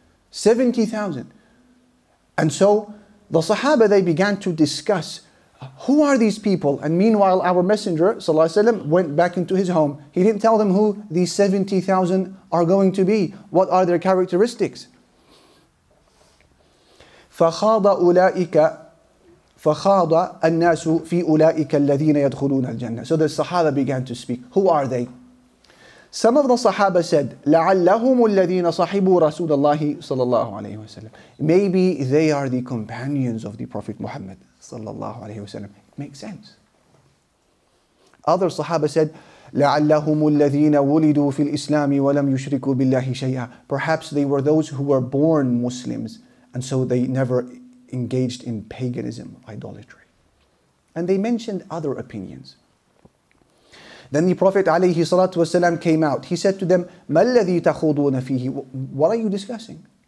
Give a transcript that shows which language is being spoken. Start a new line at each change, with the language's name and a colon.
English: 70,000. And so the Sahaba, they began to discuss, who are these people? And meanwhile, our Messenger sallallahu alaihi wasallam went back into his home. He didn't tell them who these 70,000 are going to be. What are their characteristics?
Arabic: فخاض الناس في أولئك الذين يدخلون الجنة.
English: So the Sahaba began to speak. Who are they? Some of the Sahaba said,
Arabic: لعلهم الذين صحبوا رسول الله صلى الله عليه وسلم.
English: Maybe they are the companions of the Prophet Muhammad صلى الله عليه وسلم. It makes sense. Other Sahaba said,
Arabic: لعلهم الذين ولدوا في الإسلام ولم يشركوا بالله شيئا.
English: Perhaps they were those who were born Muslims and so they never engaged in paganism, idolatry. And they mentioned other opinions. Then the Prophet alayhi salatu wasalam came out. He said to them,
Arabic: مَا الَّذِي تَخُوضُونَ فِيهِ.
English: What are you discussing?